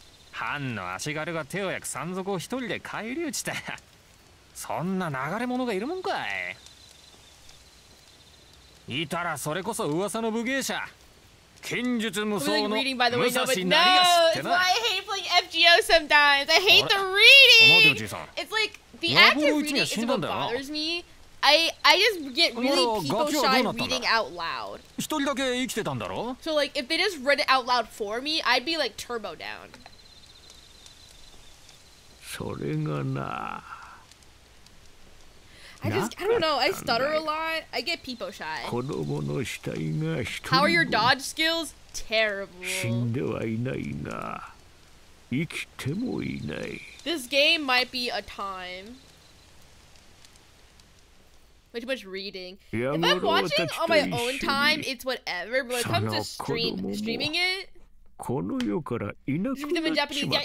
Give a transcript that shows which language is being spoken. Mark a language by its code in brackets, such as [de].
[ja] 藩の足軽が手を焼く山賊を一人で返り討ちた。そんな流れ者がいるもんかい。いたらそれこそ噂の武芸者、剣術無双の武蔵成りがしってな。 [en] I hate playing FGO sometimes. I hate the reading. It's like the active reading is what bothers me. I just get really people shy reading out loud. [ja] 一人だけ生きてたんだろ。 [en] So like if they just read it out loud for me, I'd be like turbo down. [ja] それがな、 [en] I don't know, I stutter a lot. I get people shy. [ja] 子供の死体が一人。 [en] How are your dodge skills? Terrible. [ja] 死んではいないが、生きてもいない。 [en] This game might be a time. Way too much reading. If I'm watching on my own time, it's whatever. But when it comes to streaming it, [ja] この世からいなくなっちまったのさ。